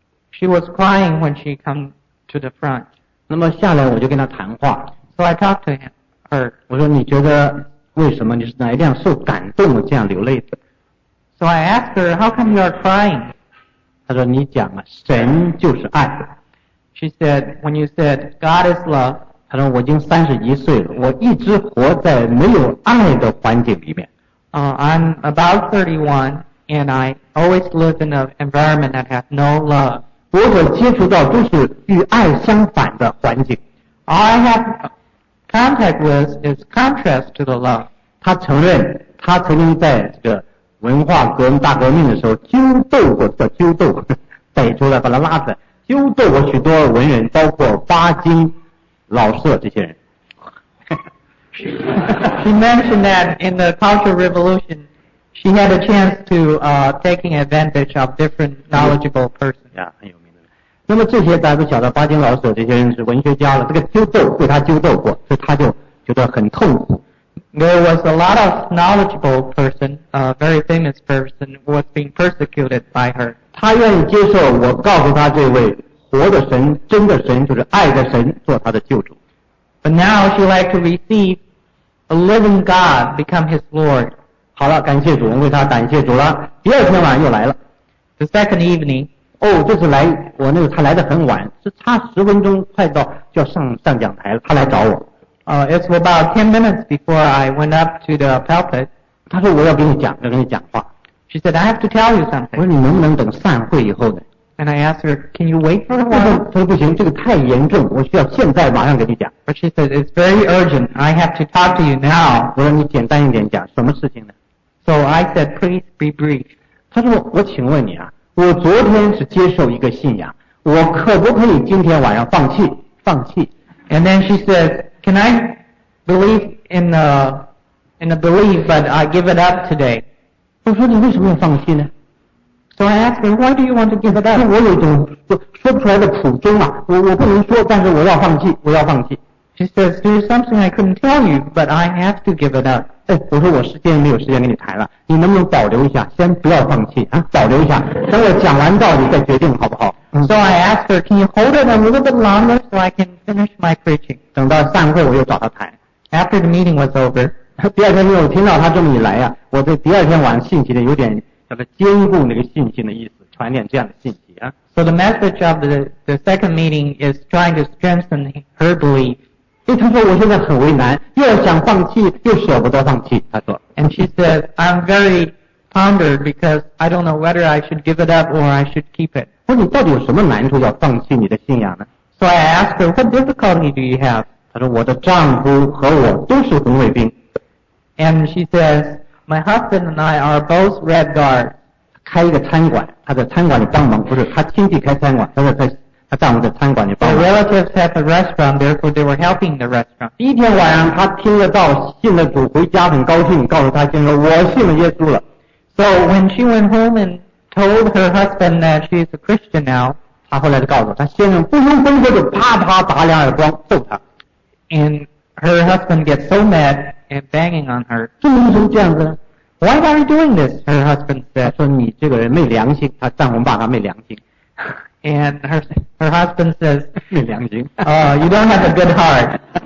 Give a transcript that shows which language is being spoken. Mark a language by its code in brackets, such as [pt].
[en] She was crying when she came to the front. [zh] 那么下来我就跟他谈话。 [en] So I talked to him. [zh] 我说你觉得为什么你是哪一辆受感动这样流泪的 [en] ？So I asked her, how come you are crying? [zh] 他说你讲啊，神就是爱。 [en] She said, when you said God is love. [zh] 他说我已经31岁了，我一直活在没有爱的环境里面。 [en] I'm about 31 and I always live in an environment that has no love. [zh] 我所接触到都是与爱相反的环境。 [en] All I have contact with is contrast to the love. [zh] 他承认他曾经在这个文化革命大革命的时候纠斗过，叫纠斗，逮出来把他拉出来，纠斗过许多文人，包括巴金、老舍这些人。 [en] She mentioned that in the Cultural Revolution, she had a chance to taking advantage of different knowledgeable persons. Yeah, [zh] 很有名的。那么这些大家都晓得，巴金、老舍这些人是文学家了。这个纠斗被他纠斗过，所以他就觉得很痛苦。 [en] There was a lot of knowledgeable person, a very famous person, was being persecuted by her. [zh] 他愿意接受我告诉他这位活的神、真的神，就是爱的神，做他的救主。 [en] But now she like to receive a living God become his Lord. [zh] 好了，感谢主，我为他感谢主了。第二天晚上又来了。 [en] The second evening. [zh] 哦，这次来我那个他来得很晚，是差十分钟快到就要上讲台了，他来找我。 [en] It's about 10 minutes before I went up to the pulpit. [zh] 他说我要跟你讲，要跟你讲话。 [en] She said I have to tell you something. [zh] 我说你能不能等散会以后呢？ [en] And I asked her, can you wait for a while? [zh] 她说不行，这个太严重，我需要现在马上跟你讲。 [en] But she said, it's very urgent, I have to talk to you now. [zh] 我说你简单一点讲，什么事情呢？ [en] So I said, please be brief. [zh] 她说我请问你啊，我昨天是接受一个信仰，我可不可以今天晚上放弃。 [en] And then she said, can I believe in a belief, but I give it up today? [zh] 我说你为什么要放弃呢？ [en] So I asked her, why do you want to give it up? [zh] 我有一种说不出来的苦衷啊，我不能说，但是我要放弃。 [en] She says, there is something I couldn't tell you, but I have to give it up. [zh] 哎，我说我时间没有时间跟你谈了，你能不能保留一下，先不要放弃啊，保留一下，等我讲完道理再决定好不好？ [en] So I asked her, can you hold it a little bit longer so I can finish my preaching? [zh] 等到散会我又找他谈。 [en] After the meeting was over. [zh] 第二天我听到他这么一来啊，我这第二天晚上信息呢有点坚固那个信心的意思，传点这样的信息啊。 [en] So the message of the second meeting is trying to strengthen her belief. [zh] 因为她说我现在很为难，又想放弃，又舍不得放弃。她说。 [en] And she says I'm very pondered because I don't know whether I should give it up or I should keep it. [zh] 我说你到底有什么难处要放弃你的信仰呢 [en] ？So I asked her what difficulty do you have? [zh] 她说我的丈夫和我都是红卫兵。 [en] And she says. My husband and I are both Red Guard. [zh] 开一个餐馆，他在餐馆里帮忙，不是他亲戚开餐馆，他说他丈夫在餐馆里帮忙。 [en] Their relatives have a restaurant, therefore they were helping the restaurant. [zh] 第一天晚上，他听了到信了主，回家很高兴，告诉他先生我信了耶稣了。 [en] So when she went home and told her husband that she is a Christian now, [zh] 他后来就告诉他先生，不由分说就啪啪打两耳光揍他。 [en] And her husband gets so mad. And banging on her. [zh] 这为什么这样子呢 [en] ？Why are you doing this? Her husband said. [zh] 说你这个人没良心。她丈夫骂她没良心。 [en] And her husband says. [zh] 没良心。 [en] You don't have a good heart.